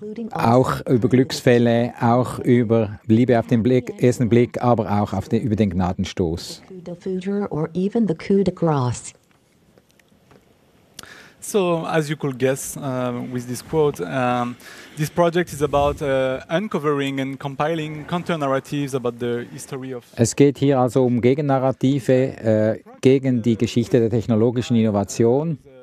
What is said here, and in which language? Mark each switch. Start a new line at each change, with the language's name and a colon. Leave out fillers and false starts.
German: Auch über Glücksfälle, auch über Liebe auf den ersten Blick, aber auch über den Gnadenstoß.
English: So, as you could guess with this quote, this project is about uncovering and compiling counter-narratives about the history of.
German: Es geht hier also um Gegennarrative gegen die Geschichte der technologischen Innovation.